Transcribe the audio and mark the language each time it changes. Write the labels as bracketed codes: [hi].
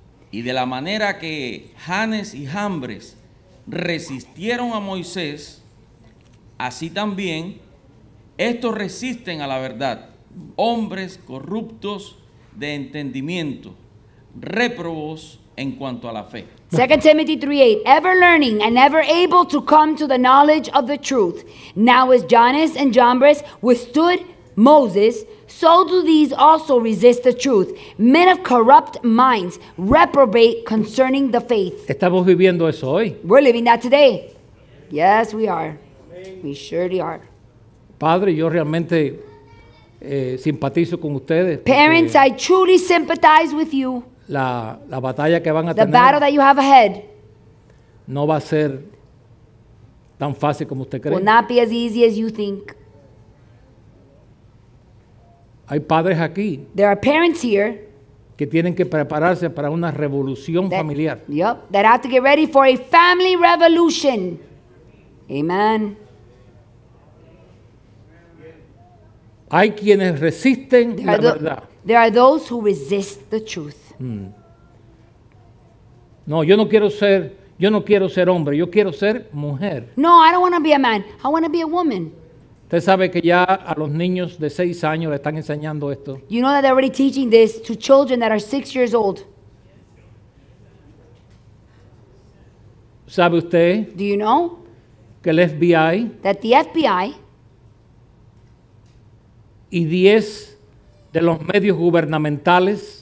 [es] Y de la manera que Janes y Jambres resistieron a Moisés, así también estos resisten a la verdad, hombres corruptos de entendimiento, réprobos en cuanto a la fe. [en] 2 Timothy 3:8, ever learning and never able to come to the knowledge of the truth. Now as Jannes and Jambres withstood Moses, so do these also resist the truth. Men of corrupt minds, reprobate concerning the faith. [es] Estamos viviendo eso hoy. [en] We're living that today. Yes, we are. We surely are. [es] Padre, yo realmente simpatizo con ustedes. [en] Parents, I truly sympathize with you. [es] La batalla que van a [en] the [es] tener. [en] The battle that you have ahead. [es] No va a ser tan fácil como usted cree. [en] Will not be as easy as you think. [es] Hay padres aquí. [en] There are parents here. [es] Que tienen que prepararse para una revolución [en] that, [es] familiar. [en] Yep, that have to get ready for a family revolution. Amen. [es] Hay quienes resisten la verdad. [en] There are those who resist the truth. [es] No, yo no quiero ser, Yo no quiero ser hombre, yo quiero ser mujer. [en] No, I don't want to be a man. I want to be a woman. [es] Usted sabe que ya a los niños de 6 años le están enseñando esto. [en] You know that they're already teaching this to children that are 6 years old. [es] ¿Sabe usted? [en] Do you know? [es] Que el FBI. [en] That the FBI. [es] Y 10 de los medios gubernamentales.